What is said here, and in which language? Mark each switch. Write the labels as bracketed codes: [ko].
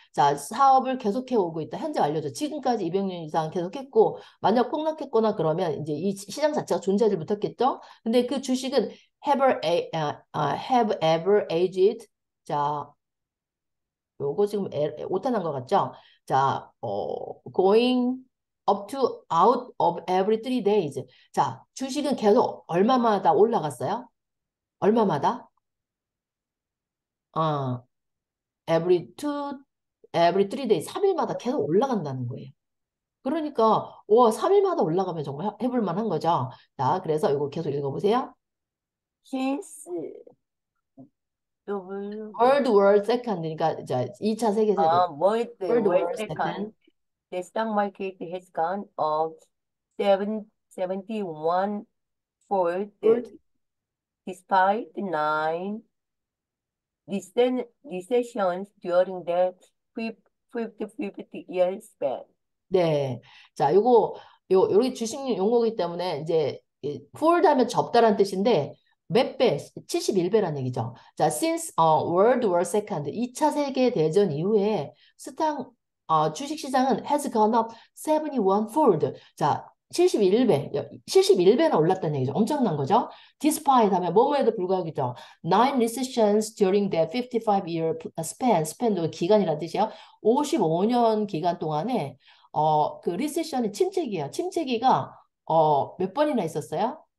[ko] 자, 사업을 계속해 오고 있다. 현재 알려져. 지금까지 200년 이상 계속했고, 만약 폭락했거나 그러면 이제 이 시장 자체가 존재하지 못했겠죠? 근데 그 주식은 [en] have ever aged. [ko] 자, 요거 지금 오타난 것 같죠? [en] 자, going up to out of every 3 days. [ko] 자, 주식은 계속 얼마마다 올라갔어요? 얼마마다? every 3 days, 3일마다 계속 올라간다는 거예요. 그러니까, 와, 3일마다 올라가면 정말 해볼 만한 거죠. 자, 그래서 이거 계속 읽어보세요. [en] Since World [ko] World War Second니까, 2차 세계대전. [en] World War Second, Second. the stock market has gone up 71 fold World. despite 9 recessions during that 50 year span. [ko] 네. 자, 요게 주식 용어이기 때문에, 이제, fold 하면 접다란 뜻인데, 몇 배? 71배란 얘기죠. 자, [en] since World War Second, [ko] 2차 세계대전 이후에, 주식 시장은 [en] has gone up 71 fold. [ko] 자, 71배나 올랐다는 얘기죠. 엄청난 거죠. despite 하면, 뭐뭐에도 불구하겠죠. [en] 9 recessions during the 55 year span. [ko] span도 기간이란 뜻이에요. 55년 기간 동안에, 그 리세션은 침체기예요. 침체기가 몇 번이나 있었어요?